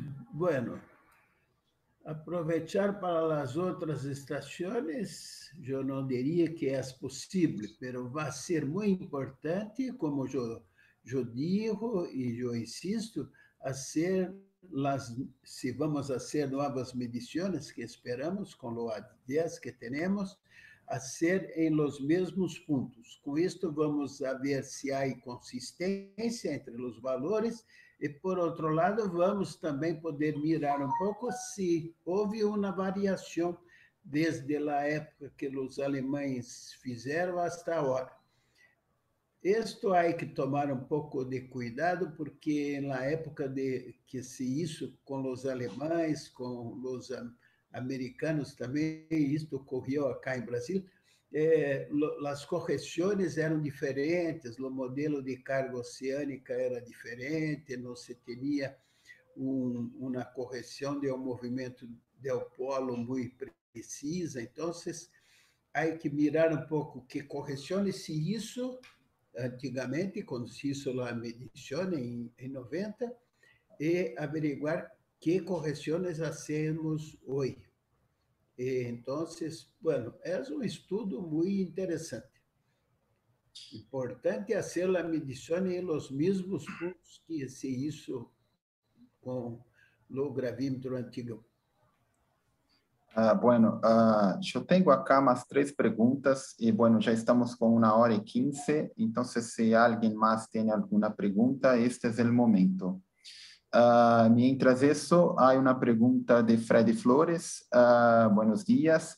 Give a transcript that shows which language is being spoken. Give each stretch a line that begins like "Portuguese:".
Portuguese: Bueno, aprovechar para as outras estações, eu não diria que é possível, pero vai ser muito importante, como eu digo e eu insisto, a ser
Spanish: si vamos a hacer nuevas mediciones que esperamos con los días que tenemos, hacer en los mismos puntos. Con esto vamos a ver si hay consistencia entre los valores y por otro lado vamos también poder mirar un poco si hubo una variación desde la época que los alemanes hicieron hasta ahora.
Portuguese: Isto aí que tomar um pouco de cuidado, porque na época de que se isso com os alemães, com os americanos também, isto ocorreu acá em Brasil, as correções eram diferentes, o modelo de carga oceânica era diferente, não se tinha uma correção de um movimento del polo muito precisa. Então, aí que mirar um pouco que correções se isso antigamente,
Spanish: quando se hizo la medición en 90, y averiguar qué correcciones hacemos hoy. Y entonces, bueno, es un estudio muy interesante. Importante hacer la medición en los mismos puntos que se hizo con el gravímetro antiguo.
Portuguese: Eu tenho acá mais três perguntas e, bueno, já estamos com 1h15, então se alguém mais tem alguma pergunta, este é es o momento. Mientras isso, há uma pergunta de Freddy Flores.
Spanish: Buenos dias.